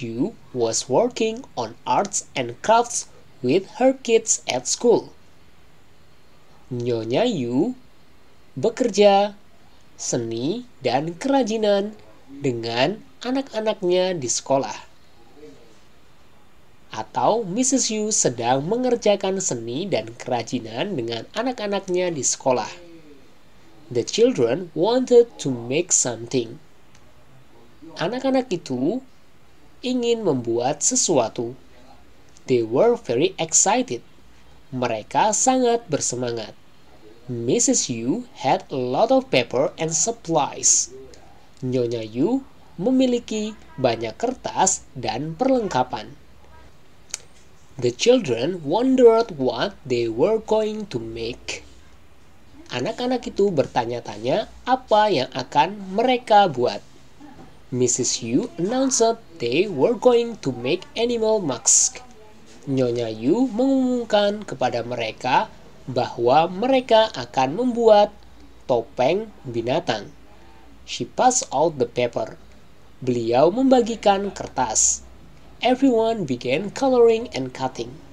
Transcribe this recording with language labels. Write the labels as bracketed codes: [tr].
[en] Yu was working on arts and crafts with her kids at school. [id] Nyonya Yu bekerja seni dan kerajinan dengan anak-anaknya di sekolah. Atau Mrs. Yu sedang mengerjakan seni dan kerajinan dengan anak-anaknya di sekolah. [en] The children wanted to make something. [id] Anak-anak itu ingin membuat sesuatu. [en] They were very excited. [id] Mereka sangat bersemangat. [en] Mrs. Yu had a lot of paper and supplies. [id] Nyonya Yu memiliki banyak kertas dan perlengkapan. [en] The children wondered what they were going to make. [id] Anak-anak itu bertanya-tanya apa yang akan mereka buat. [en] Mrs. Yu announced they were going to make animal masks. [id] Nyonya Yu mengumumkan kepada mereka bahwa mereka akan membuat topeng binatang. [en] She passed out the paper. [id] Beliau membagikan kertas. [en] Everyone began coloring and cutting.